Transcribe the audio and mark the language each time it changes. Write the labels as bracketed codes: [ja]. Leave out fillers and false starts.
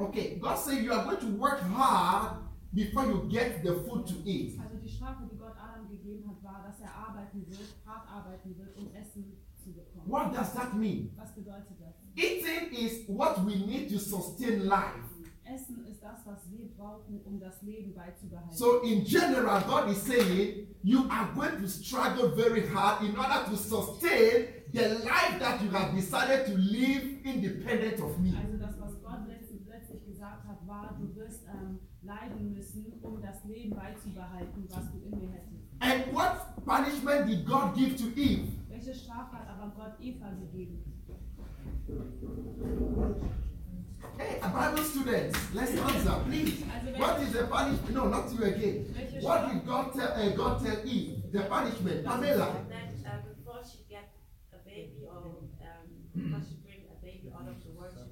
[en] Okay, God says you are going to work hard before you get the food to eat. [de] Also die Strafe, die Gott Adam gegeben hat, war, dass arbeiten wird, hart arbeiten wird, Essen zu bekommen. [en] What does that mean? [de] Was bedeutet das? [en] Eating is what we need to sustain life. [de] Essen ist das, was wir brauchen, das Leben beizubehalten. [en] So in general, God is saying, you are going to struggle very hard in order to sustain the life that you have decided to live independent of me. [de] Also das, was Gott letztlich gesagt hat, war, du wirst leiden müssen, das Leben beizubehalten, was du in mir hättest. [en] And what punishment did God give to Eve? [de] Welche Strafe hat aber Gott Eva gegeben? [en] Hey, a Bible student, let's answer, please. What is the punishment? No, not you again. What did God tell Eve? The punishment, Pamela. That before she get a baby or she bring a baby out of the world,